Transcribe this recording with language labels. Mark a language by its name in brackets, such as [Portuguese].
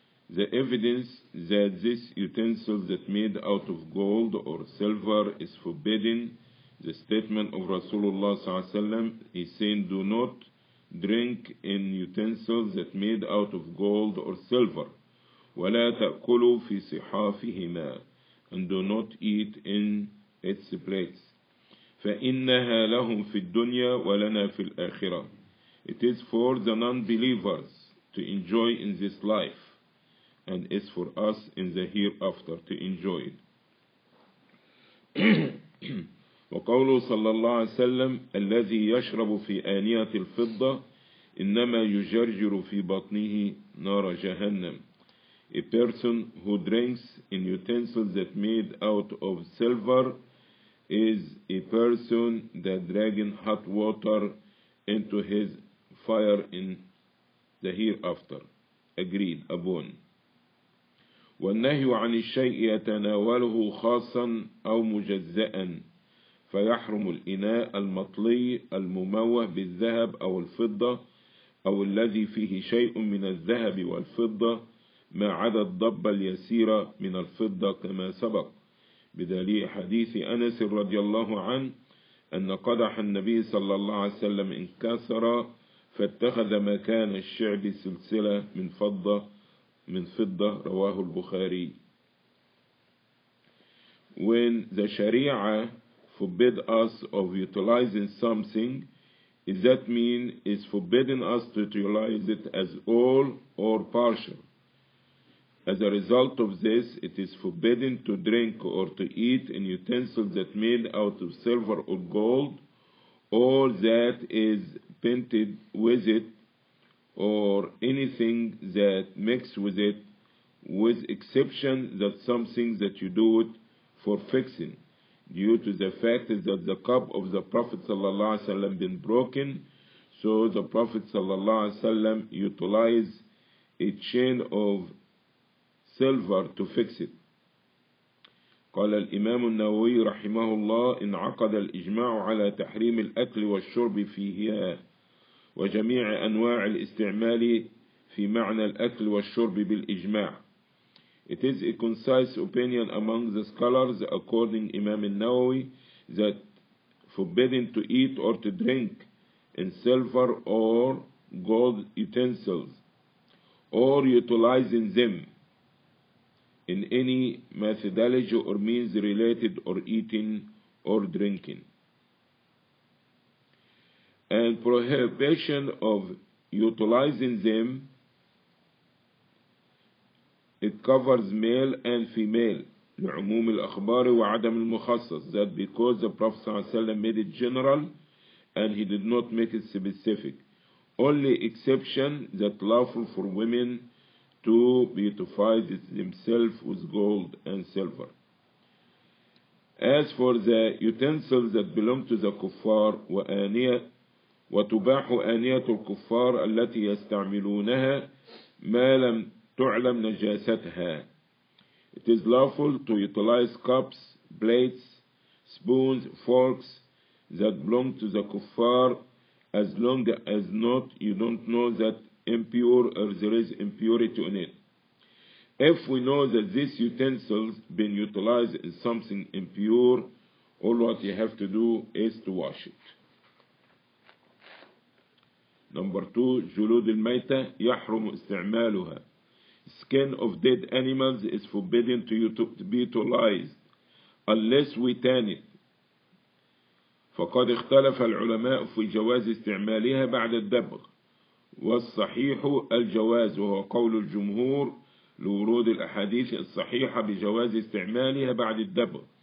[English] The evidence that this utensil that made out of gold or silver is forbidden, the statement of [Arabic] رسول الله صلى الله عليه وسلم, [English] he said, do not drink in utensils that made out of gold or silver. [Arabic] ولا تأكلوا في صحافهما, [English] and do not eat in its plates. [Arabic] فإنها لهم في الدنيا ولنا في الآخرة. [English] It is for the non-believers to enjoy in this life, and it's for us in the hereafter to enjoy it. [Arabic] وقوله صلى الله عليه وسلم الذي يشرب في آنية الفضة إنما يجرجر في بطنه نار جهنم. [English] A person who drinks in utensils that made out of silver is a person that dragging hot water into his fire in the hereafter. Agreed upon. [Arabic] والنهي عن الشيء يتناوله خاصا أو مجزأا فيحرم الإناء المطلي المموه بالذهب أو الفضة أو الذي فيه شيء من الذهب والفضة ما عدا الضبة اليسيرة من الفضة كما سبق بدليل حديث أنس رضي الله عنه أن قدح النبي صلى الله عليه وسلم انكسر فاتخذ مكان الشعب سلسلة من فضة رواه البخاري. [English] When the Sharia forbid us of utilizing something, is that mean is forbidding us to utilize it as all or partial? As a result of this, it is forbidden to drink or to eat in utensils that made out of silver or gold, or that is painted with it, or anything that mixed with it, with exception that something that you do it for fixing, due to the fact that the cup of the Prophet ﷺ been broken, so the Prophet ﷺ utilized a chain of silver to fix it. [Arabic] قال الإمام النووي رحمه الله انعقد الإجماع على تحريم الأكل والشرب فيها وجميع أنواع الاستعمال في معنى الأكل والشرب بالإجماع. [English] It is a concise opinion among the scholars according Imam النووي that forbidden to eat or to drink in silver or gold utensils or utilizing them in any methodology or means related or eating or drinking. And prohibition of utilizing them, it covers male and female. [Arabic] لعموم الأخبار وعدم المخصص. [English] That because the Prophet [Arabic] صلى الله عليه وسلم [English] made it general and he did not make it specific. Only exception that lawful for women to beautify themselves with gold and silver. As for the utensils that belong to the kuffar, [Arabic] وتباح آنية الكفار التي يستعملونها ما لم تعلم نجاستها. [English] It is lawful to utilize cups, plates, spoons, forks that belong to the kuffar as long as not you don't know that impure or there is impurity in it. If we know that these utensils been utilized in something impure, all what you have to do is to wash it. Number two, [Arabic] جلود الميتة يحرم استعمالها. [English] Skin of dead animals is forbidden to be utilized unless we tan it. [Arabic] فقد اختلف العلماء في جواز استعمالها بعد الدبغ. والصحيح الجواز وهو قول الجمهور لورود الأحاديث الصحيحة بجواز استعمالها بعد الدبغ.